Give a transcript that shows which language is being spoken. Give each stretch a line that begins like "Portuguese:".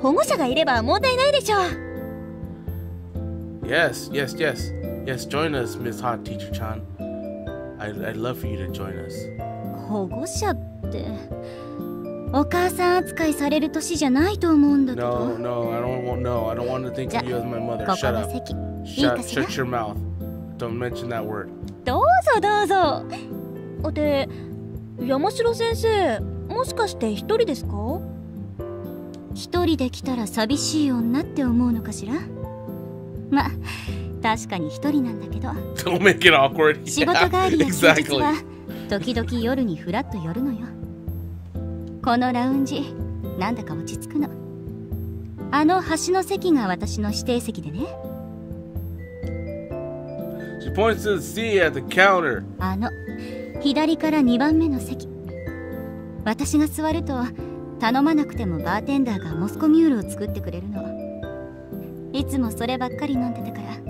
Japanese: 保護者がいれば問題ないでしょ。
English: Yes, yes, yes. Yes, join us, Miss Hot Teacher Chan. I'd love for you to join us.
Japanese: 保護者ってお母さん扱いされる年じゃないと思うんだけど。
English: No, no, I don't want to think of you as my mother.
Japanese: ここ
English: Shut up.
Japanese: いい
English: shut your mouth. Don't mention that word.
Japanese: どうぞどうぞ。おて、山城先生、もしかして一人ですか？一人で来たら寂しい女って思うのかしら？ま、確かに一人なんだけど。
English: Don't make it awkward.
Japanese: 仕事帰りや休日は、時々夜にフラッと寄るのよ。このラウンジ、なんだか落ち着くの。あの橋の席が私の指定席でね。
English: She points to the seat at the counter.
Japanese: あの、左から2番目の席。私が座ると、頼まなくてもバーテンダーがモスコミュールを作ってくれるの。いつもそればっかり飲んでたから。